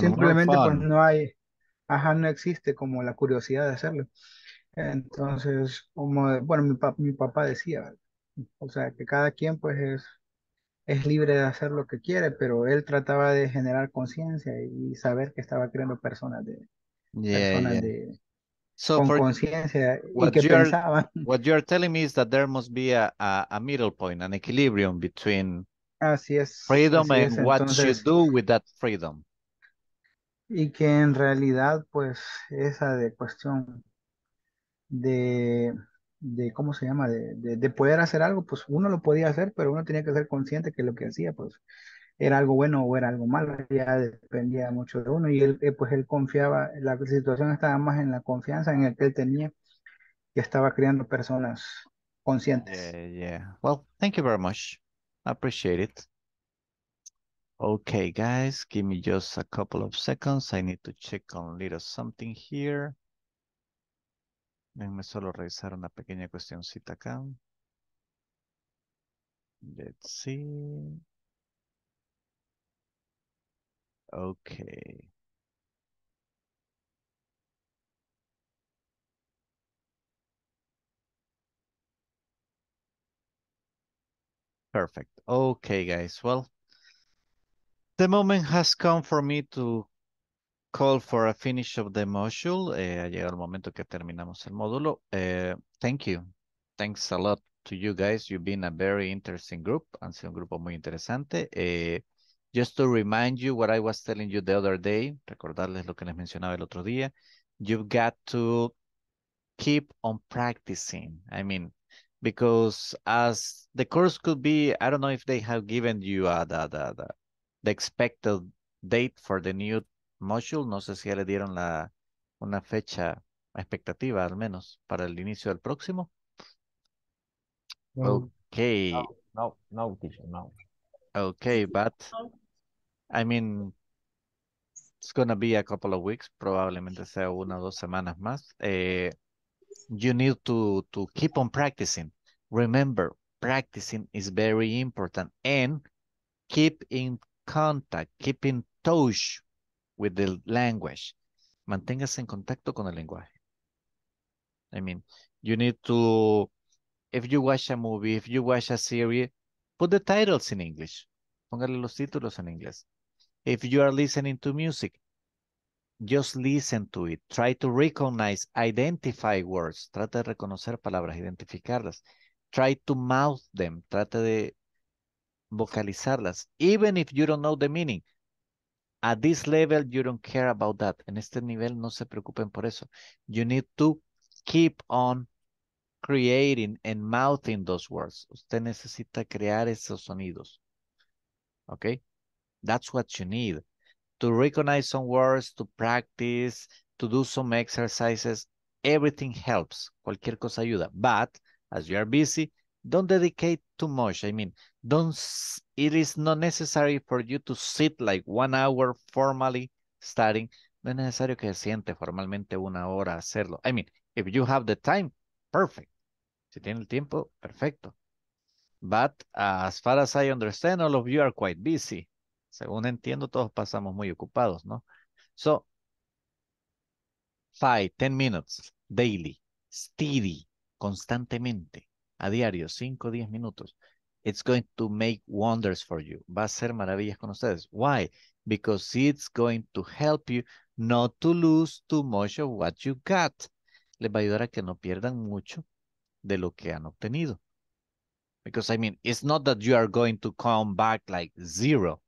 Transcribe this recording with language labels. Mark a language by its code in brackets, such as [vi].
[es] Simplemente pues, no hay, ajá, no existe como la curiosidad de hacerlo. Entonces, como, bueno, mi papá decía, ¿verdad? O sea, que cada quien, pues es libre de hacer lo que quiere, pero él trataba de generar conciencia y saber que estaba creando personas de. [en] Yeah, [es] personas De, so con for what, y que you're, pensaban. [en] What you're telling me is that there must be a middle point, an equilibrium between [es] así es, [en] freedom [es] así [en] and es. What entonces, you do with that freedom. [es] Y que en realidad, pues, esa de cuestión de ¿cómo se llama? De poder hacer algo, pues uno lo podía hacer, pero uno tenía que ser consciente que lo que hacía, pues, era algo bueno o era algo malo, ya dependía mucho de uno, y él, pues él confiaba, la situación estaba más en la confianza en el que él tenía, que estaba creando personas conscientes. [en] Yeah, well, thank you very much. I appreciate it. Okay, guys, give me just a couple of seconds. I need to check on a little something here. [es] Déjenme solo revisar una pequeña cuestioncita acá. [en] Let's see. Okay. Perfect. Okay, guys. Well, the moment has come for me to call for a finish of the module. [es] Ha llegado el momento que terminamos el módulo. [en] Thank you. Thanks a lot to you guys. You've been a very interesting group. [es] Han sido un grupo muy interesante. [en] Just to remind you what I was telling you the other day, [es] recordarles lo que les mencionaba el otro día, [en] you've got to keep on practicing. I mean, because as the course could be, I don't know if they have given you the expected date for the new module. [es] No sé si ya le dieron una fecha expectativa, al menos, para el inicio del próximo. [en] No. Okay. No, teacher. Okay, but, I mean, it's going to be a couple of weeks. [es] Probablemente sea una o dos semanas más. [en] You need to keep on practicing. Remember, practicing is very important, and keep in contact, keep in touch with the language. [es] Manténgase en contacto con el lenguaje. [en] I mean, you need to, if you watch a movie, if you watch a series, put the titles in English. [es] Póngale los títulos en inglés. [en] If you are listening to music, just listen to it. Try to recognize, identify words. [es] Trata de reconocer palabras, identificarlas. [en] Try to mouth them. [es] Trate de vocalizarlas. [en] Even if you don't know the meaning. At this level, you don't care about that. [es] En este nivel, no se preocupen por eso. [en] You need to keep on creating and mouthing those words. [es] Usted necesita crear esos sonidos. [en] Okay? That's what you need. To recognize some words, to practice, to do some exercises. Everything helps. [es] Cualquier cosa ayuda. [en] But as you are busy, don't dedicate too much. I mean, it is not necessary for you to sit like 1 hour formally studying. [es] No es necesario que se siente formalmente una hora hacerlo. [en] I mean, if you have the time, perfect. [es] Si tiene el tiempo, perfecto. [en] But as far as I understand, all of you are quite busy. [es] Según entiendo, todos pasamos muy ocupados, ¿no? [en] So, 5-10 minutes daily, steady. [es] Constantemente, a diario, 5-10 minutos, [en] it's going to make wonders for you. Va a hacer maravillas con ustedes. Why? Because it's going to help you not to lose too much of what you got. [es] Les va a ayudar a que no pierdan mucho de lo que han obtenido. [en] Because, I mean, it's not that you are going to come back like zero.